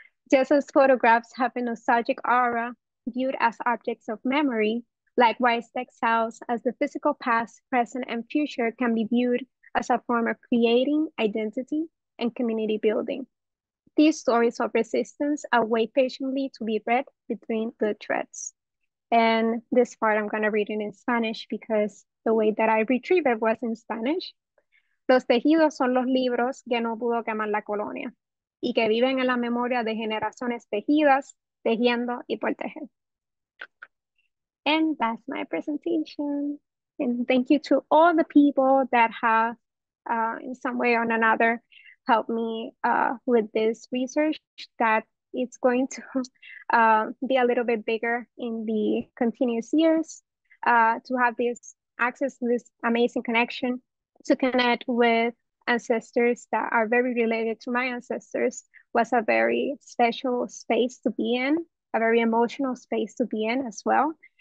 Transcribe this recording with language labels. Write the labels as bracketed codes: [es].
[en] Just as photographs have a nostalgic aura viewed as objects of memory, likewise textiles as the physical past, present, and future can be viewed as a form of creating identity and community building. These stories of resistance await patiently to be read between the threads. And this part I'm gonna read it in Spanish because the way that I retrieve it was in Spanish. [es] Los tejidos son los libros que no pudo quemar la colonia y que viven en la memoria de generaciones tejidas, tejiendo y por tejer. [en] And that's my presentation. And thank you to all the people that have, in some way or another, helped me with this research that it's going to be a little bit bigger in the continuous years to have this access to this amazing connection, to connect with ancestors that are very related to my ancestors was a very special space to be in, a very emotional space to be in as well.